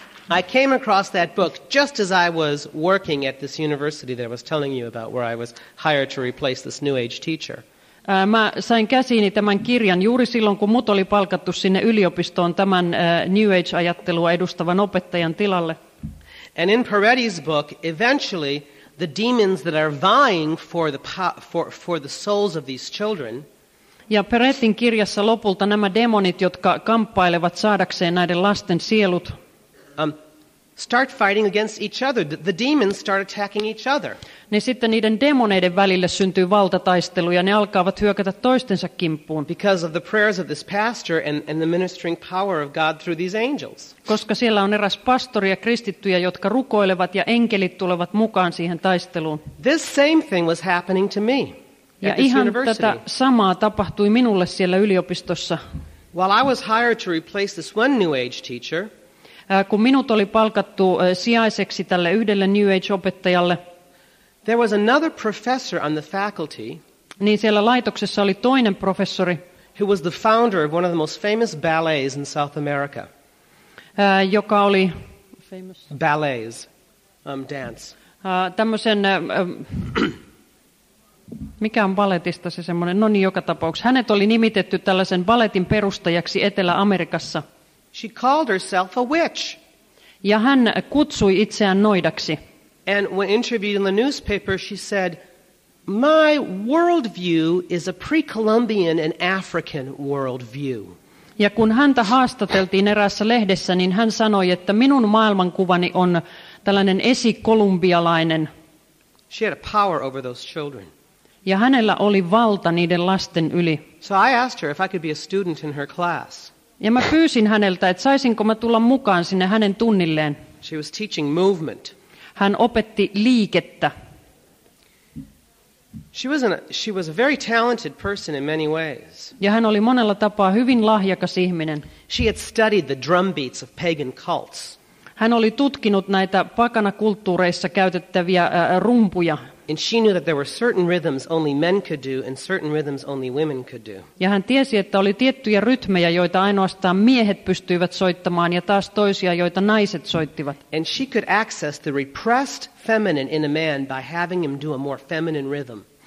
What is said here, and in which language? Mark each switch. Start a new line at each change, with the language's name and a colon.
English: I came across that book just as I was working at this university that I was telling you about, where I was hired to replace this New Age teacher.
Finnish: Mä sain käsiini tämän kirjan juuri silloin, kun mut oli palkattu sinne yliopistoon tämän New Age-ajattelua edustavan opettajan tilalle.
English: And in Peretti's book, eventually the demons that are vying for the souls of these children.
Finnish: Ja Perettin kirjassa lopulta nämä demonit, jotka kamppailevat saadakseen näiden lasten sielut,
English: start fighting against each other. The demons start attacking each other.
Finnish: Niin sitten niiden demoneiden välille syntyy valtataistelu ja ne alkavat hyökätä toistensa kimppuun.
English: Because of the prayers of this pastor and the ministering power of God through these angels.
Finnish: Koska siellä on eräs pastori ja kristittyjä, jotka rukoilevat ja enkelit tulevat mukaan siihen taisteluun.
English: This same thing was happening to me.
Finnish: Ja ihan tätä samaa tapahtui minulle siellä yliopistossa.
English: While I was hired to replace this one New Age teacher,
Finnish: kun minut oli palkattu sijaiseksi tälle yhdelle New Age-opettajalle,
English: there was another professor on the faculty,
Finnish: niin siellä laitoksessa oli toinen professori,
English: who was the founder of one of the most famous ballets in South America.
Finnish: Joka oli
English: famous ballets, dance.
Finnish: Tämmöisen mikä on baletista se semmoinen? No niin, joka tapauksessa. Hänet oli nimitetty tällaisen baletin perustajaksi Etelä-Amerikassa.
English: She called herself a witch.
Finnish: Ja hän kutsui itseään noidaksi.
English: And when interviewed in the newspaper, she said, "My worldview is a pre-Columbian and African worldview."
Finnish: Ja kun häntä haastateltiin eräässä lehdessä, niin hän sanoi, että minun maailmankuvani on tällainen esikolumbialainen.
English: She had a power over those children.
Finnish: Ja hänellä oli valta niiden lasten yli.
English: So I asked her if I could be a student in her class.
Finnish: Ja mä pyysin häneltä, että saisinko mä tulla mukaan sinne hänen tunnilleen.
English: She was teaching movement.
Finnish: Hän opetti liikettä.
English: She was a very talented person in many ways.
Finnish: Ja hän oli monella tapaa hyvin lahjakas ihminen.
English: She had studied the drum beats of pagan cults.
Finnish: Hän oli tutkinut näitä pakanakulttuureissa käytettäviä rumpuja.
English: And she knew that there were certain rhythms only men could do and certain rhythms only women could do.
Finnish: Ja hän tiesi, että oli tiettyjä rytmejä, joita ainoastaan miehet pystyivät soittamaan ja taas toisia, joita naiset soittivat.
English: And she could access the repressed feminine in a man by having him do a more feminine rhythm.